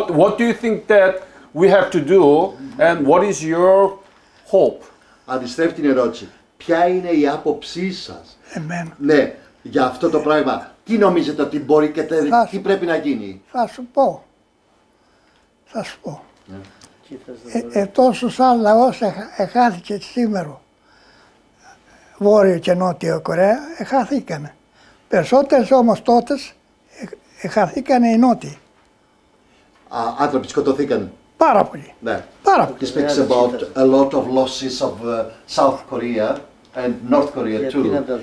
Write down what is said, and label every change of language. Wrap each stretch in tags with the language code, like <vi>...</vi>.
<en>What do you think that we have to do, and what is your hope?</en> <el>Αντιστρέφει την ερώτηση. Ποια είναι η άποψή σας? Εμένα. Ναι, για αυτό το πράγμα. Τι νομίζετε ότι μπορεί και τι πρέπει να γίνει? Θα σου πω. Θα σου πω. Τόσο σαν λαός εχάθηκε σήμερα. Βόρειο και Νότιο Κορέα εχάθηκαν. Περισσότερες όμως τότε εχάθηκαν οι Νότιοι. Άνθρωποι σκοτωθήκαν. Πάρα πολύ. Ναι. Πάρα πολύ.</el> <en>He speaks about a lot of losses of South Korea and North Korea too.</en>